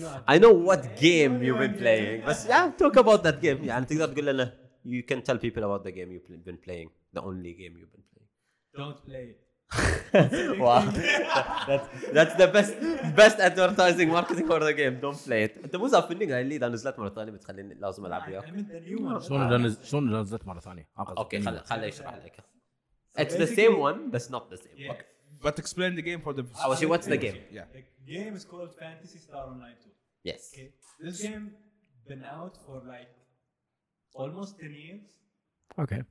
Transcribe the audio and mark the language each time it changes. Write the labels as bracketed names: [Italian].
[English] So, I know what game you've been playing. But yeah, talk about that game. Yeah, I think that's good enough. You can tell people about the game you've been playing, the only game you've been playing. Don't play it. Wow. that's the best advertising marketing for the game. Don't play it. [Arabic] انت مو صافنين قال لي اذا نزلت مره ثانيه بتخليني لازم العب وياك. شلون نزلت مره ثانيه؟ اوكي خليني اشرح لك. [English] It's the same one, but it's not the same. Yeah. Okay. But explain the game for the. Oh, actually, what's the game? Yeah. The game is called Phantasy Star Online 2. Yes. Okay. This game been out for like. Almost 10 years. Okay.